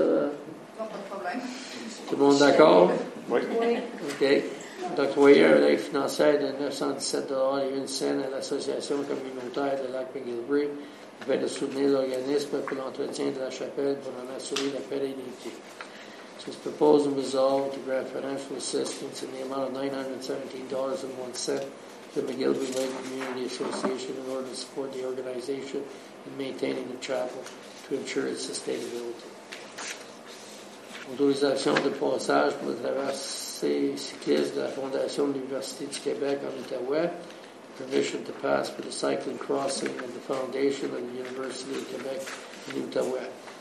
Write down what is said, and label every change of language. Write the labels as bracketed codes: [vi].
[fr] Non, pas de problème. Tout le monde d'accord? Oui. Oui. OK. Dr. Weyer, l'aide financière de 917 $ et 1 cent à l'association communautaire de Lac McGillivray afin de soutenir l'organisme pour l'entretien de la chapelle pour en assurer la pérennité. [en] This proposal resolved to grant financial assistance in the amount of $917.01 to the McGillivray Lake Community Association in order to support the organization in maintaining the chapel to ensure its sustainability. [fr] Autorisation de passage pour les traversées cyclistes de la Fondation de l'Université du Québec en Outaouais. [en] Permission to pass for the cycling crossing of the Foundation of the University of Québec in Outaouais.